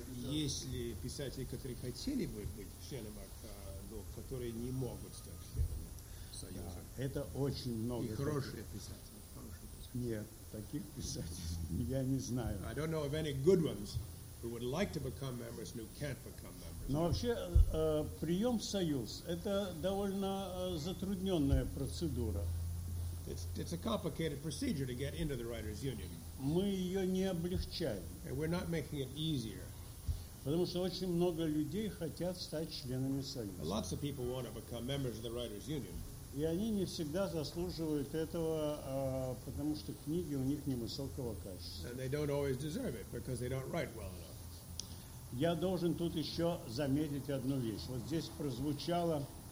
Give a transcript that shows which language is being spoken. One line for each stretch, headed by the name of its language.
Russian: Если писатели, которые хотели бы быть членами, но которые не могут стать членами Союза. Это очень много. И хорошие писатели. Хорошие писатели. Нет, таких писателей я не знаю.
English: I don't know of any good ones who would like to become members and who can't become members.
Russian: Но вообще, прием в Союз – это довольно затрудненная процедура.
English: It's a complicated procedure to get into the Writers' Union.
Russian: Мы ее не облегчаем.
English: And we're not making it easier.
Russian: Потому что очень много людей хотят стать членами Союза.
English: Lots of people want to become members of the Writers' Union.
Russian: И они не всегда заслуживают этого, потому что книги у них невысокого качества.
English: And they don't always deserve it because they don't write well enough.
Russian: Я должен тут еще заметить одну вещь. Вот здесь прозвучало...